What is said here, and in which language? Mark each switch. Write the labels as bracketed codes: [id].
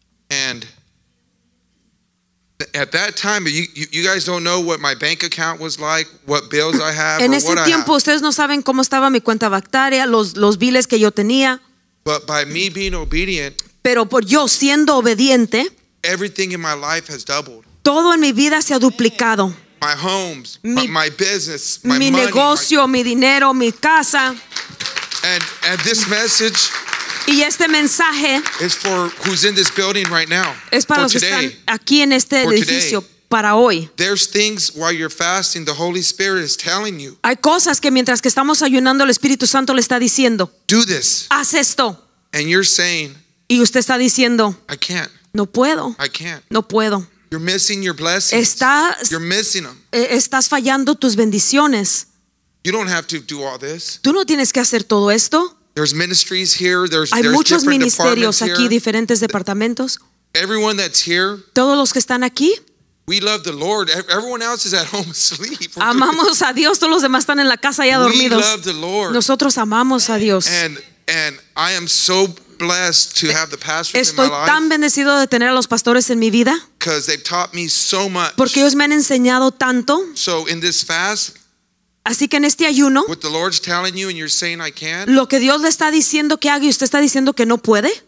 [en] And at that time, you guys don't know what my bank account was like, what bills I have. [es] En ese tiempo, ustedes no saben cómo estaba mi cuenta bancaria, los biles que yo tenía. [en] But by me being obedient, [es] pero por yo siendo obediente, [en] everything in my life has doubled. [es] Todo en mi vida se ha duplicado. [en] My homes, my business, my money, [es] mi negocio, mi dinero, mi casa. [en] And this message. [es] Y este mensaje [en] is for who's in this building right now, [es] es para los que están aquí en este edificio para hoy. [en] There's things while you're fasting, the Holy Spirit is telling you. [es] Hay cosas que mientras que estamos ayunando el Espíritu Santo le está diciendo. [en] Do this. [es] Haz esto. [en] And you're saying. [es] Y usted está diciendo. [en] I can't. [es] No puedo. [en] I can't. [es] No puedo. [en] You're missing your blessings. You're missing them. [es] Estás fallando tus bendiciones. [en] You don't have to do all this. [es] Tú no tienes que hacer todo esto. [en] There's ministries here. [es] Hay muchos ministerios aquí, diferentes departamentos. [en] Everyone that's here. [es] Todos los que están aquí. [en] We love the Lord. Everyone else is at home asleep. [es] Amamos a Dios. Todos los demás están en la casa ya dormidos. [en] We love the Lord. [es] Nosotros amamos a Dios. [en] And I am so blessed to have the pastors in my life. [es] Estoy tan bendecido de tener a los pastores en mi vida. [en] Because they've taught me so much. [es] Porque ellos me han enseñado tanto. [en] So in this fast. [es] Así que en este ayuno, [en] what the Lord's telling you and you're saying I can't, [es] lo que Dios le está diciendo que haga y usted está diciendo que no puede.